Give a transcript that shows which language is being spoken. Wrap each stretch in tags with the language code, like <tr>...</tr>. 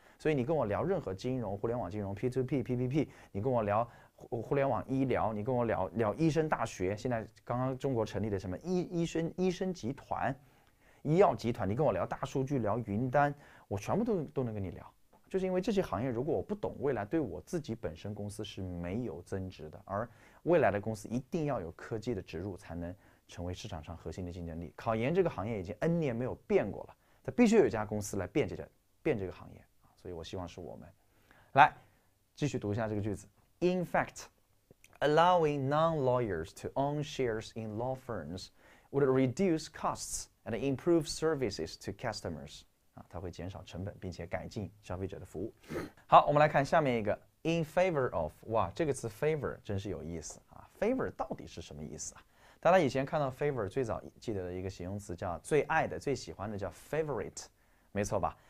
<zh>所以你跟我聊任何金融互联网金融 P2P PPP， 你跟我聊互联网医疗，你跟我聊聊医生大学，现在刚刚中国成立的什么 医生集团医药集团，你跟我聊大数据聊云端，我全部都能跟你聊，就是因为这些行业如果我不懂，未来对我自己本身公司是没有增值的，而未来的公司一定要有科技的植入才能成为市场上核心的竞争力。考研这个行业已经 N 年没有变过了，它必须有一家公司来变这个行业，所以我希望是我们。来继续读一下这个句子。</zh> <en>In fact, allowing non-lawyers to own shares in law firms would reduce costs and improve services to customers.</en> <zh>它会减少成本并且改进消费者的服务。好，我们来看下面一个</zh> <en>in favor of。</en> <zh>哇，这个词 favor 真是有意思啊。 favor 到底是什么意思啊？大家以前看到 favor 最早记得的一个形容词叫最爱的最喜欢的叫 favorite， 没错吧？</zh>